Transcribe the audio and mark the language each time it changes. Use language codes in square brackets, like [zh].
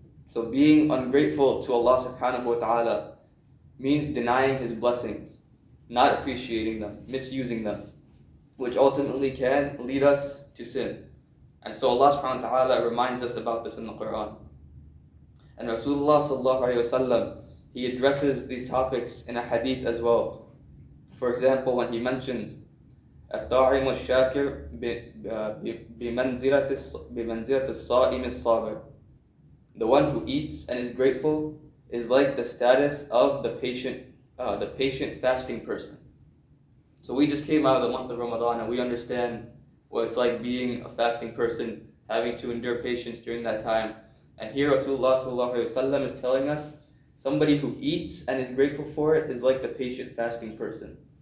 [en] So being ungrateful to Allah subhanahu wa ta'ala means denying His blessings, not appreciating them, misusing them, which ultimately can lead us to sin. And so Allah subhanahu wa ta'ala reminds us about this in the Quran. And Rasulullah sallallahu alayhi wa sallam, he addresses these topics in a hadith as well. For example, when he mentions, [ar] الطاعم الشاكر بمنزلة الصائم الصابر. [en] The one who eats and is grateful is like the status of the patient fasting person. So we just came out of the month of Ramadan and we understand what it's like being a fasting person, having to endure patience during that time. And here Rasulullah sallallahu alayhi wa sallam is telling us, somebody who eats and is grateful for it is like the patient fasting person.